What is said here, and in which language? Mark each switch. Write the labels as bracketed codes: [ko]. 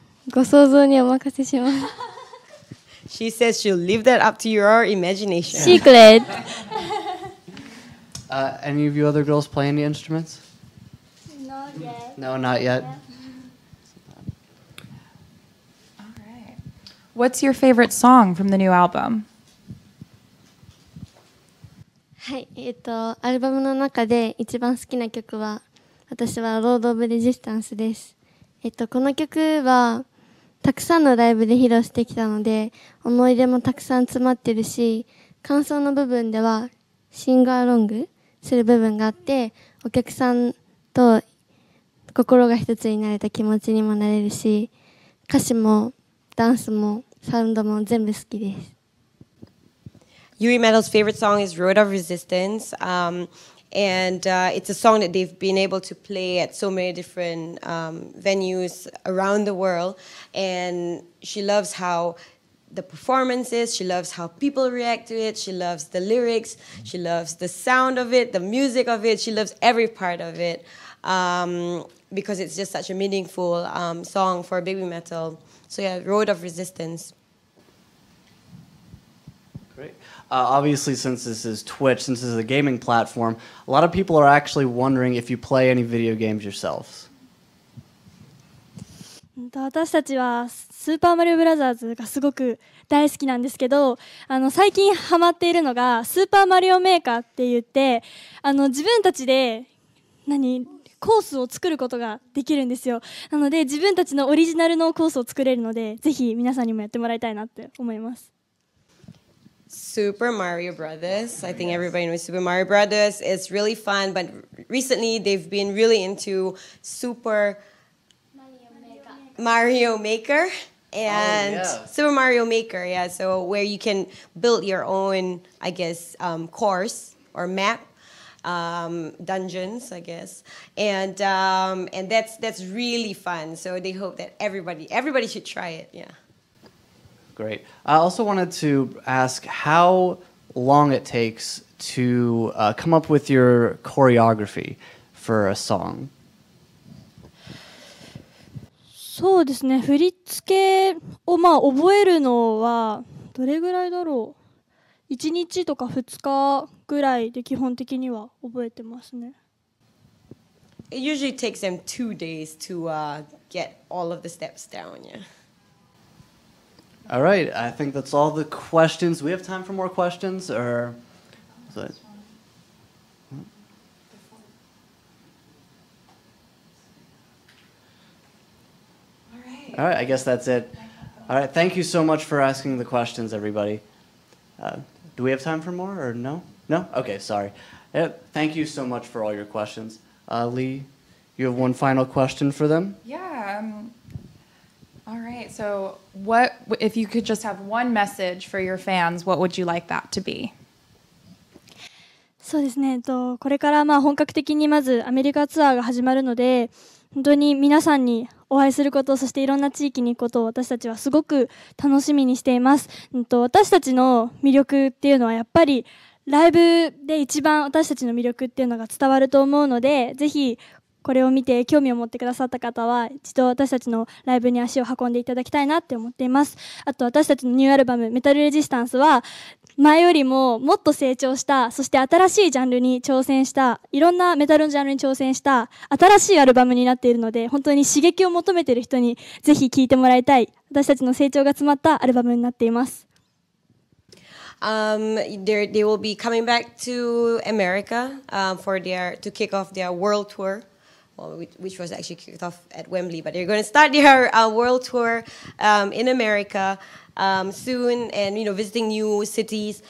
[ja] ご想像にお任せします。 [en] She says she'll leave that up to your imagination. Secret. Any of you other girls play any instruments? Not yet. No, not yet. Yeah. What's your favorite song from the new album? [ja] はい、アルバムの中で一番好きな曲は、私はロード・オブ・レジスタンスです。この曲は、たくさんのライブで披露してきたので、思い出もたくさん詰まってるし、感想の部分では、シンガーロングする部分があって、お客さんと心が一つになれた気持ちにもなれるし、歌詞もダンスもサウンドも全部好きです。 [en] BABYMETAL's favorite song is Road of Resistance. It's a song that they've been able to play at so many different venues around the world. And she loves how the performance is, she loves how people react to it, she loves the lyrics, she loves the sound of it, the music of it, she loves every part of it. Because it's just such a meaningful song for BABYMETAL. So yeah, Road of Resistance. Obviously, since this is Twitch, since this is a gaming platform, a lot of people are actually wondering if you play any video games yourselves. [ja] 私たちはスーパーマリオブラザーズがすごく大好きなんですけど、最近ハマっているのがスーパーマリオメーカーって言って、自分たちで何コースを作ることができるんですよ。なので自分たちのオリジナルのコースを作れるので、ぜひ皆さんにもやってもらいたいなって思います。 [en] Super Mario Brothers. I think everybody knows Super Mario Brothers. It's really fun, but recently they've been really into Super Mario Maker. And Super Mario Maker, yeah. So where you can build your own, I guess, course or map, dungeons, I guess. And that's really fun. So they hope that everybody should try it, yeah. Great. I also wanted to ask how long it takes to come up with your choreography for a song. [ja] そうですね。振り付けをまあ覚えるのはどれぐらいだろう。 1日とか2日ぐらいで基本的には覚えてますね。 [en] It usually takes them 2 days to get all of the steps down, yeah. All right, I think that's all the questions. We have time for more questions, or is it? All right, I guess that's it. All right, thank you so much for asking the questions, everybody. Do we have time for more, or no? No? Okay, sorry. Yep, thank you so much for all your questions. Lee, you have one final question for them? Yeah. All right, so what if you could just have one message for your fans, what would you like that to be? [ja] そうですね、これからまあ本格的にまずアメリカツアーが始まるので、本当に皆さんにお会いすること、そしていろんな地域に行くことを私たちはすごく楽しみにしています。私たちの魅力っていうのはやっぱりライブで一番私たちの魅力っていうのが伝わると思うので、ぜひこれを見て興味を持ってくださった方は一度私たちのライブに足を運んでいただきたいなって思っています。あと私たちのニューアルバムメタルレジスタンスは前よりももっと成長した、そして新しいジャンルに挑戦した、いろんなメタルのジャンルに挑戦した新しいアルバムになっているので、本当に刺激を求めている人にぜひ聴いてもらいたい、私たちの成長が詰まったアルバムになっています。 [en] They will be coming back to America to kick off their world tourwhich was actually kicked off at Wembley, but they're going to start their world tour in America soon, and you know, visiting new cities.